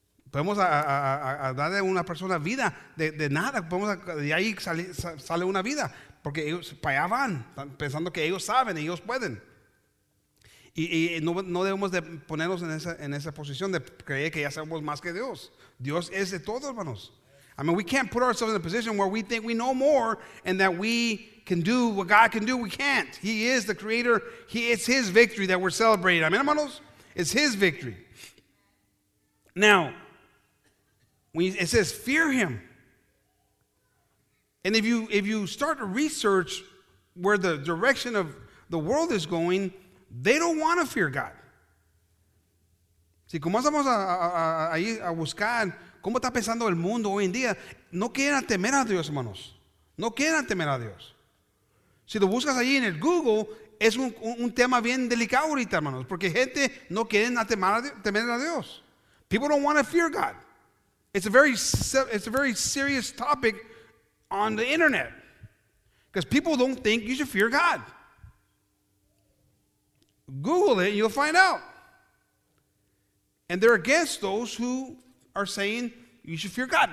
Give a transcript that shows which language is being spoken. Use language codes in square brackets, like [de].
[es] Podemos a darle a una persona vida de nada. Podemos de ahí sale una vida. Porque ellos para allá van, pensando que ellos saben, ellos pueden. Y no debemos de ponernos en esa posición de creer que ya sabemos más que Dios. Dios es de todos, hermanos. [en] I mean, we can't put ourselves in a position where we think we know more and that we can do what God can do. We can't. He is the creator. It's his victory that we're celebrating. Amen, hermanos? It's his victory. Now, it says, fear him. And if you start to research where the direction of the world is going, they don't want to fear God. Si comenzamos a buscar cómo está pensando el mundo hoy en día, no quieren temer a Dios, hermanos. No quieren temer a Dios. Si lo buscas allí en el Google, es un tema bien delicado ahorita, hermanos, porque gente no quiere temer a Dios. People don't want to fear God. It's a very serious topic on the internet because people don't think you should fear God. Google it and you'll find out. And they're against those who are saying you should fear God.